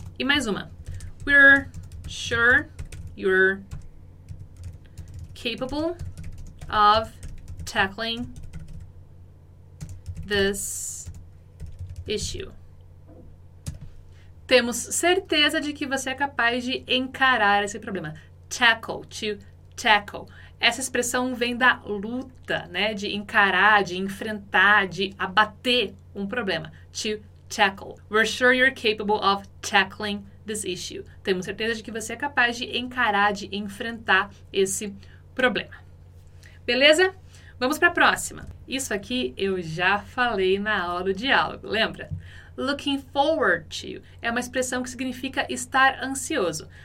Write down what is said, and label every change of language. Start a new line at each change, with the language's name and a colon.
Portuguese: E mais uma.
English: We're sure you're capable of tackling this issue.
Portuguese: Temos certeza de que você é capaz de encarar esse problema. Tackle, to tackle. Essa expressão vem da luta, né? De encarar, de enfrentar, de abater um problema.
English: To tackle. We're sure you're capable of tackling this issue.
Portuguese: Temos certeza de que você é capaz de encarar, de enfrentar esse problema. Beleza? Vamos para a próxima. Isso aqui eu já falei na aula do diálogo, lembra?
English: Looking forward to
Portuguese: é uma expressão que significa estar ansioso.